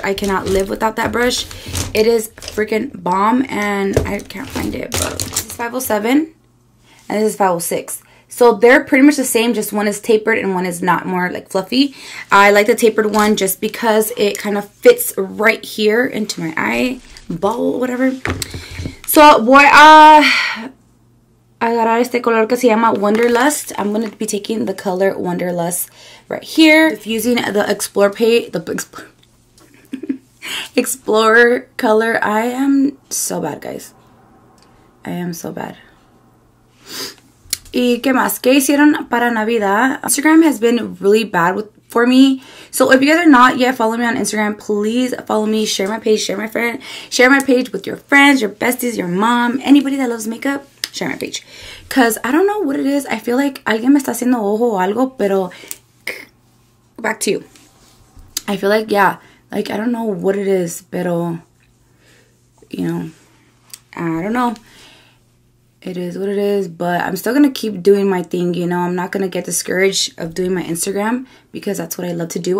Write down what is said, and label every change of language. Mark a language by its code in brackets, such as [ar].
[en] I cannot live without that brush. It is freaking bomb, and I can't find it, but this is 507, and this is 506. So they're pretty much the same, just one is tapered and one is not, more like fluffy. I like the tapered one just because it kind of fits right here into my eyeball, whatever. [es] So voy a agarrar este color que se llama Wonderlust. [en] I'm going to be taking the color Wonderlust right here. Using the Explorer color. I am so bad, guys. I am so bad. [es] ¿Y qué más? ¿Qué hicieron para Navidad? [en] Instagram has been really bad for me. So if you guys are not yet following me on Instagram, please follow me. Share my page. Share my page with your friends, your besties, your mom, anybody that loves makeup. Share my page. Because I don't know what it is. I feel like [es] alguien me está haciendo ojo o algo, pero... [en] Back to you. I feel like, yeah. Like, I don't know what it is, pero... You know. I don't know. It is what it is, but I'm still going to keep doing my thing, you know. I'm not going to get discouraged of doing my Instagram because that's what I love to do.